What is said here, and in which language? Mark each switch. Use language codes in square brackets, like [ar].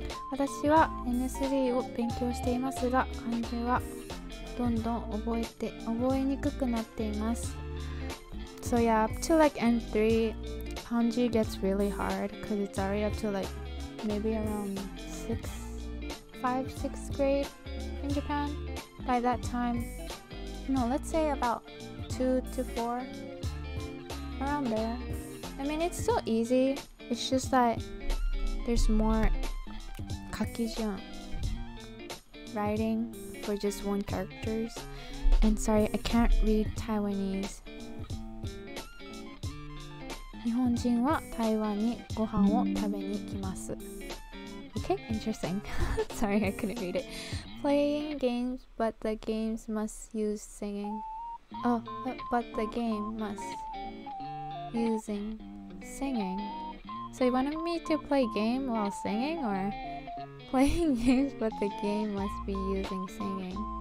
[ja] 私は N3 を勉強していますが、漢字はどんどん覚えにくくなっています。 [en] So yeah, up to like N3, 漢字 gets really hard because it's already up to like maybe around 5th, 6th grade in Japan. By that time, no, let's say about 2 to 4, around there. I mean, it's still easy, it's just that there's more... Kakijun writing for just one characters. And sorry, I can't read Taiwanese. [ja] 日本人は台湾にご飯を食べに来ます。 [en] Okay, interesting. Sorry, I couldn't read it. Playing games, but the games must use singing. Oh, but the game must using singing. So you wanted me to play game while singing, or... Playing games, but the game must be using singing.